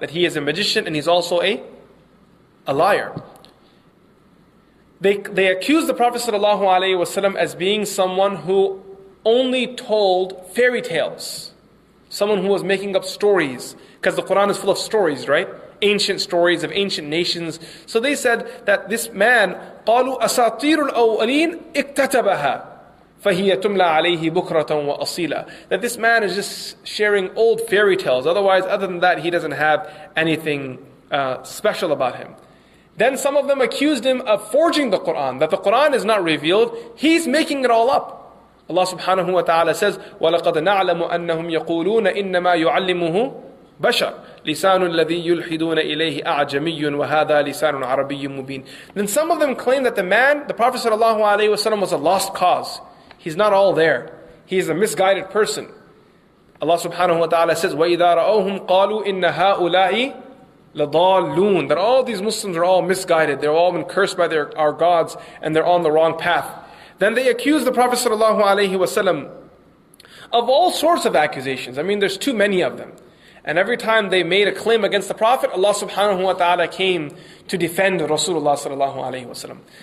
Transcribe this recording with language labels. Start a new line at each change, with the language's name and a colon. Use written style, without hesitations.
English: That he is a magician and he's also a liar. They accuse the Prophet sallallahu alayhi wa sallam as being someone who only told fairy tales. Someone who was making up stories. Because the Quran is full of stories, right? Ancient stories of ancient nations. So they said that this man,
Arabic: قالوا أساطير الأولين اكتتبها فهي تملى عليه بكرة وأصيلة.
English: That this man is just sharing old fairy tales. Otherwise, other than that, he doesn't have anything special about him. Then some of them accused him of forging the Quran. That the Quran is not revealed. He's making it all up. Allah subhanahu wa ta'ala says,
Arabic: وَلَقَدْ نَعْلَمُ أَنَّهُمْ يَقُولُونَ إِنَّمَا يُعَلِّمُهُ بَشَرْ لِسَانُ الَّذِي يُلْحِدُونَ إِلَيْهِ أَعْجَمِيٌّ وَهَذَا لِسَانٌ عَرَبِيٌّ مُبِينٌ.
English: Then some of them claim that the man, the Prophet sallallahu alayhi wa sallam, was a lost cause. He's not all there. He is a misguided person. Allah subhanahu wa ta'ala says,
Arabic: وَإِذَا رَأَوْهُمْ قَالُوا إِنَّ هَؤُلَاءِ لَضَالُّونَ.
English: That all these Muslims are all misguided. They've all been cursed by our gods and they're on the wrong path. Then they accuse the Prophet sallallahu alayhi wa sallam of all sorts of accusations. I mean, there's too many of them. And every time they made a claim against the Prophet, Allah subhanahu wa ta'ala came to defend Rasulullah sallallahu alayhi wa sallam.